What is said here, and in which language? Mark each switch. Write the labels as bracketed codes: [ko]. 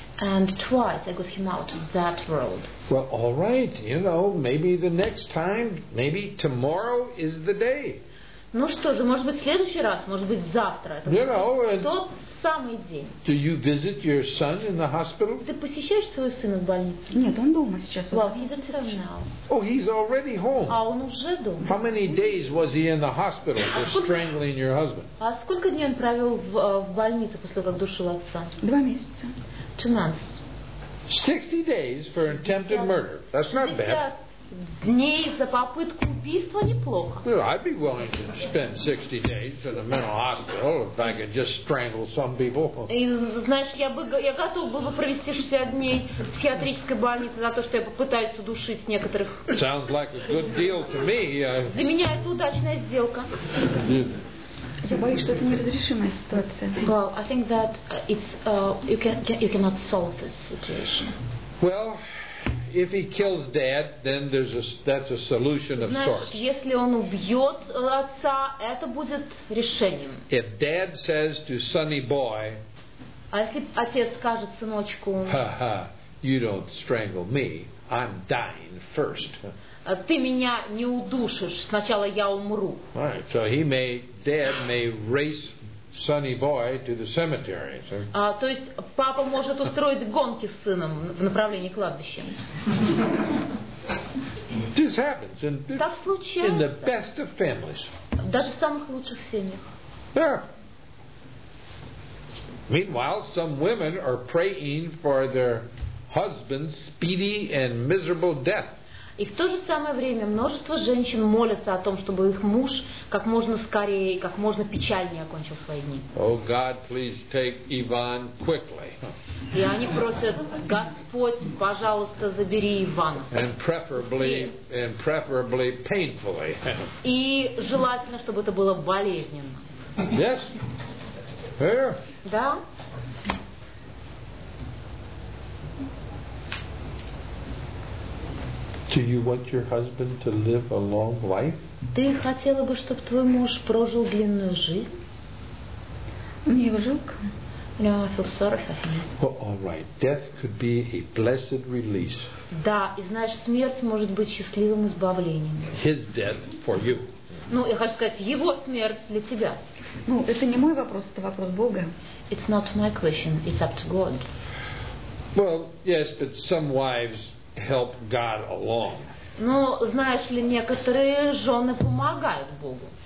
[en] And twice I got him out of that world. Well, all right. You know, maybe the next time, maybe tomorrow is the day. [ru] Ну что же, может быть, в следующий раз, может быть, завтра. Это тот самый день. [en] Do you visit your son in the hospital? [ru] Ты посещаешь своего сына в больнице? Нет, он дома сейчас. [en] Well, he's in town now. Oh, he's already home. [ru] А он уже дома. [en] How many days was he in the hospital for strangling your husband? [ru] А сколько дней он провел в больнице после того, как душил отца? 2 месяца. [en] 2 months. 60 days for attempted murder. That's not bad. [ru] Дней за попытку убийства неплохо. [en] Well, I'd be willing to spend 60 days in a mental hospital if I could just strangle some people. [ru] И, знаешь, я готов был бы провести 60 дней в психиатрической больнице за то, что я попытаюсь удушить некоторых. [en] Sounds like a good deal to me. [ru] Для меня это удачная сделка. Я боюсь, что это неразрешимая ситуация. [en] Well, I think that it's you cannot solve this situation. Well, if he kills dad, then that's a solution of sorts. [ru] Если он убьет отца, это будет решением. [en] If dad says to sonny boy, [ru] а если отец скажет сыночку, [en] ha-ha, you don't strangle me, I'm dying first. [ru] Ты меня не удушишь, сначала я умру. [en] All right, so dad may race sonny boy to the cemetery. [ru] То есть папа может устроить гонки с сыном в направлении кладбища. [en] This happens in the best of families. [ru] Даже в самых лучших семьях. [en] Meanwhile, some women are praying for their husband's speedy and miserable death. [ru] И в то же самое время множество женщин молятся о том, чтобы их муж как можно скорее, как можно печальнее окончил свои дни. [en] Oh, God, please take Ivan quickly. [ru] И они просят: Господь, пожалуйста, забери Ивана. [en] And preferably painfully. [ru] И желательно, чтобы это было болезненно. [en] Yes. Here. [ru] Да. [en] Do you want your husband to live a long life? [ru] Ты хотела бы, чтобы твой муж прожил длинную жизнь? Мне его жалко. [en] No, I feel sorry for him. Well, all right. Death could be a blessed release. [ru] Да, и знаешь, смерть может быть счастливым избавлением. [en] His death for you. [ru] Ну, я хочу сказать, его смерть для тебя. Ну, это не мой вопрос, это вопрос Бога. [en] It's not my question, it's up to God. Well, yes, but some wives help God along. [ru] Ну, знаешь ли, некоторые жены помогают Богу.